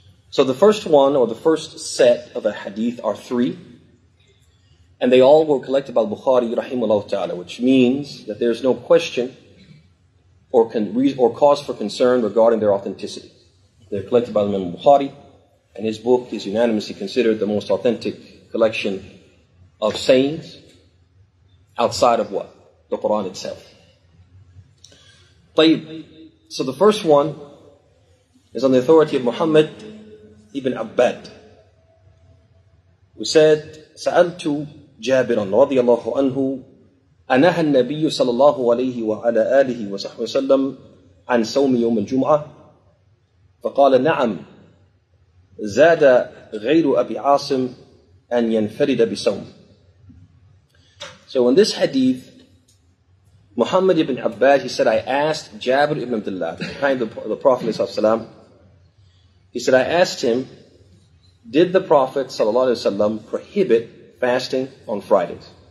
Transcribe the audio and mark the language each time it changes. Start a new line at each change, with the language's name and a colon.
English: So the first one, or the first set of a hadith, are three, and they all were collected by Bukhari rahimahullah ta'ala, which means that there's no question or cause for concern regarding their authenticity. They're collected by the Imam Bukhari, and his book is unanimously considered the most authentic collection of sayings outside of what? The Quran itself. طيب. So the first one is on the authority of Muhammad ibn Abbad, who said,
Arabic: سَأَلْتُ جَابِرًا رَضِيَ اللَّهُ عَنْهُ أَنَهَى النَّبِيُّ صَلَى اللَّهُ عَلَيْهِ وَعَلَىٰ آلِهِ وَصَحْبِهِ وَسَلَّمْ عَنْ سَوْمِ يَوْمِ الْجُمْعَةِ فَقَالَ نَعَمْ زَادَ غَيْرُ أَبِي عَاصِمْ أَنْ يَنْفَرِدَ بِسَوْمِ.
English: So in this hadith, Muhammad ibn Abbad, he said, I asked Jabir ibn Abdullah, behind the Prophet ﷺ, he said, I asked him, did the Prophet ﷺ prohibit fasting on Fridays?